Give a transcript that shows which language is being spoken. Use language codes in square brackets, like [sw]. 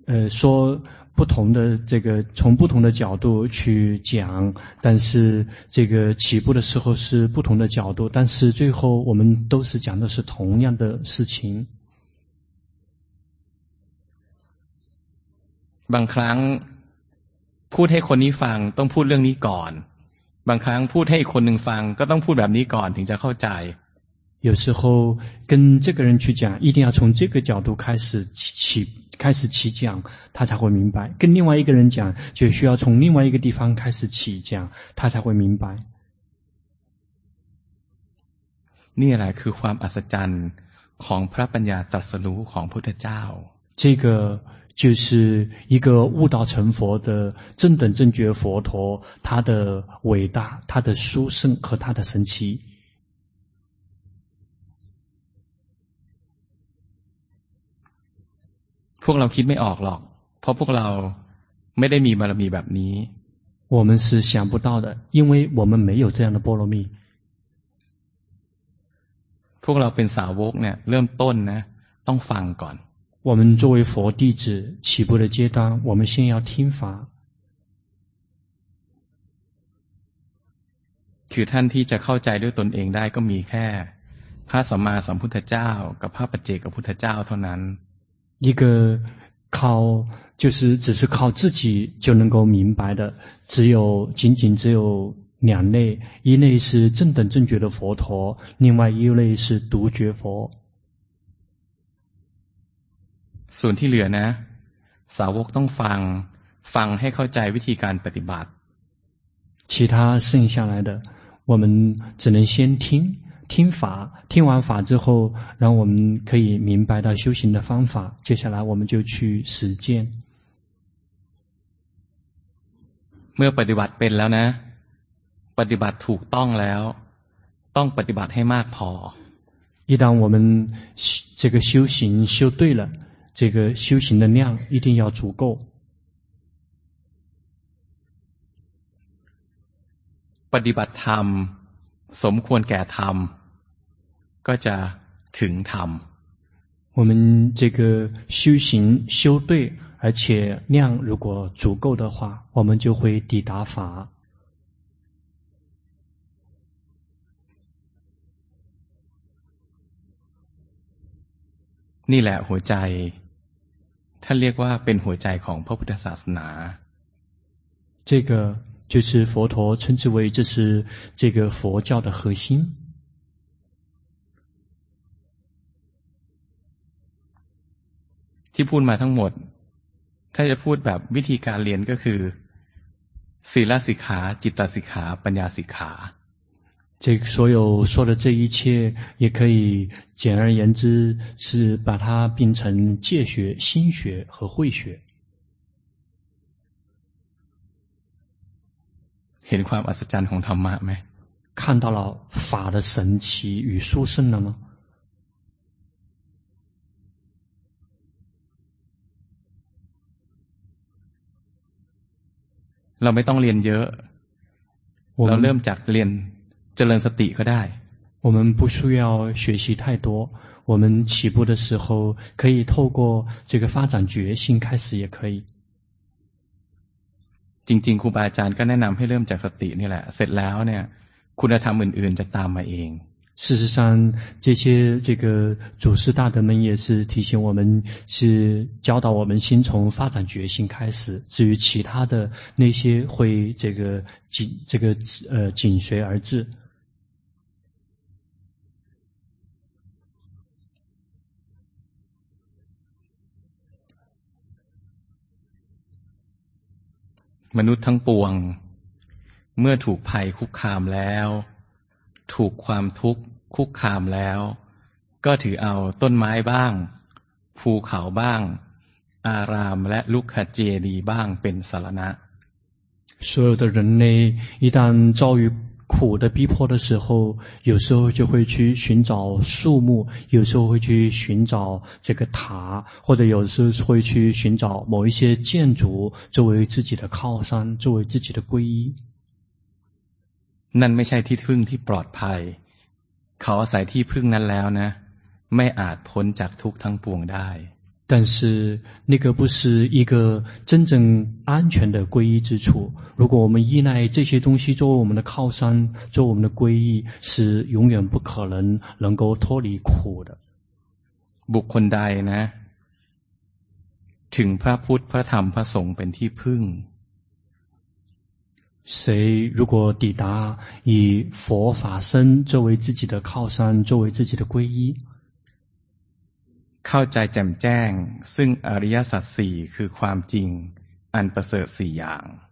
[zh] 说不同的这个从不同的角度去讲但是这个起步的时候是不同的角度但是最后我们都是讲的是同样的事情 [th] บางครั้งพูดให้คนนี้ฟังต้องพูดเรื่องนี้ก่อนบางครั้งพูดให้คนหนึ่งฟังก็ต้องพูดแบบนี้ก่อนถึงจะเข้าใจ [zh] 有时候跟这个人去讲一定要从这个角度开始起讲他才会明白跟另外一个人讲就需要从另外一个地方开始起讲他才会明白 [th] นี่แหละคือความอัศจรรย์ของพระปัญญาตรัสรู้ของพุทธเจ้า [zh] 这个就是一个悟道成佛的正等正觉佛陀他的伟大他的殊胜和他的神奇 [th] พวกเราคิดไม่ออกหรอกเพราะพวกเราไม่ได้มีบารมีแบบนี้ [zh] 我们是想不到的因为我们没有这样的波罗蜜 [th] พวกเราเป็นสาวกเนี่ยเริ่มต้นนะต้องฟังก่อน [zh] 我们作为佛弟子起步的阶段我们先要听法 [th] คือท่านที่จะเข้าใจด้วยตนเองได้ก็มีแค่พระสัมมาสัมพุทธเจ้ากับพระปัจเจกพุทธเจ้าเท่านั้น [zh] 一个靠就是只是靠自己就能够明白的只有仅仅只有两类一类是正等正觉的佛陀另外一类是独觉佛 [th] ส่วนที่เหลือนะสาวกต้องฟังให้เข้าใจวิธีการปฏิบัติ [zh] 其他剩下来的我们只能先听法听完法之后让我们可以明白到修行的方法接下来我们就去实践 [th] เมื่อปฏิบัติเป็นแล้วนะปฏิบัติถูกต้องแล้วต้องปฏิบัติให้มากพอ [zh] 一旦我们这个修行修对了这个修行的量一定要足够 [th] ปฏิบัติธรรมสมควรแก่ธรรมก็จะถึงธรรม [zh] 我们这个修行修对而且量如果足够的话我们就会抵达法 [th] นี่แหละหัวใจท่านเรียกว่าเป็นหัวใจของพระพุทธศาสนา [zh] 这个就是佛陀称之为这是这个佛教的核心 [th] ที่พูดมาทั้งหมดถ้าจะพูดแบบวิธีการเรียนก็คือศีลสิกขาจิตตสิกขาปัญญาสิกขา [zh] 这所有说的这一切也可以简而言之是把它并成戒学心学和慧学 [th] เห็นความอัศจรรย์ของธรรมะไหม [zh] 看到了法的神奇与殊胜了吗 [th] เราไม่ต้องเรียนเยอะเราเริ่มจากเรียนเจริญสติก็ได้ [zh] 我们不需要学习太多我们起步的时候可以透过这个发展觉性开始也可以 [th] จริงๆครูบาอาจารย์ก็แนะนำให้เริ่มจากสตินี่แหละเสร็จแล้วเนี่ยคุณธรรมอื่นๆจะตามมาเอง [zh] 事实上这些这个祖师大德们也是提醒我们，是教导我们先从发展决心开始，至于其他的那些会紧随而至。 [th] มนุษย์ทั้งปวงเมื่อถูกภัยคุกคามแล้วถูกความทุกข์คุกคามแล้วก็ถือเอาต้นไม้บ้างภูเขาบ้างอารามและลุคเจดีบ้างเป็นสรณะ [zh] 所有的人类一旦遭遇苦的逼迫的时候，有时候就会去寻找树木，有时候会去寻找这个塔，或者有时候会去寻找某一些建筑作为自己的靠山，作为自己的皈依。 [th] นั่นไม่ใช่ที่พึ่งที่ปลอดภัยเขาอาศัยที่พึ่งนั้นแล้วนะไม่อาจพ้นจากทุกข์ทั้งปวงได้ [zh] 但是那个不是一个真正安全的皈依之处，如果我们依赖这些东西作为我们的靠山，作为我们的皈依，是永远不可能能够脱离苦的。 [th] บุคคลใดนะถึงพระพุทธพระธรรมพระสงฆ์เป็นที่พึ่ง [zh] 谁如果抵达以佛法身作为自己的靠山，作为自己的皈依 [th] เข้าใจแจ่มแจ้งซึ่งอริยสัจ4คือความจริงอันประเสริฐ4อย่าง